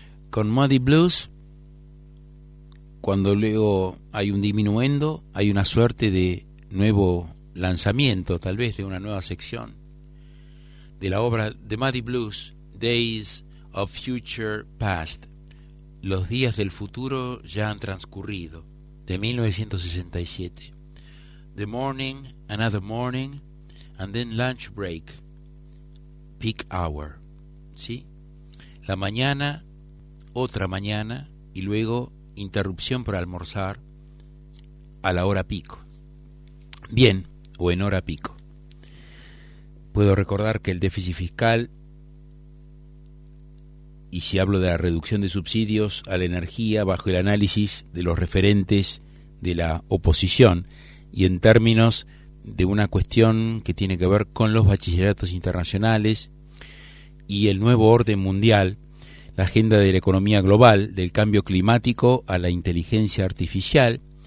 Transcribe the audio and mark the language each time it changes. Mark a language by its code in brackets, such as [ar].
[es] Con Muddy Blues, cuando luego hay un disminuendo, hay una suerte de nuevo lanzamiento, tal vez de una nueva sección de la obra de Muddy Blues, Days of Future Past, Los días del futuro ya han transcurrido, de 1967. [en] The morning, another morning, and then lunch break, peak hour. [es] ¿Sí? La mañana, otra mañana, y luego interrupción para almorzar a la hora pico. Bien, o en hora pico. Puedo recordar que el déficit fiscal, y si hablo de la reducción de subsidios a la energía bajo el análisis de los referentes de la oposición, y en términos de una cuestión que tiene que ver con los bachilleratos internacionales y el nuevo orden mundial, la agenda de la economía global, del cambio climático a la inteligencia artificial.